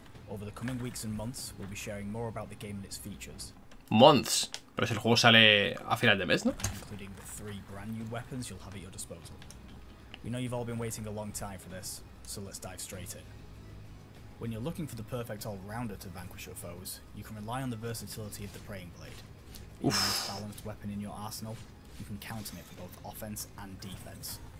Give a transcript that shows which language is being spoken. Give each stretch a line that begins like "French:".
English: Over the coming weeks and months, we'll be sharing more about the game and its features. Months.
Spanish: Pero si el juego sale a final de mes, ¿no?
English: Including the three brand new weapons you'll have at your disposal. We know you've all been waiting a long time for this, so let's dive straight in. When you're looking for the perfect all-rounder to vanquish your foes, you can rely on the versatility of the Praying Blade. Oof. With a balanced weapon in your arsenal, you can count on it for both offense and defense.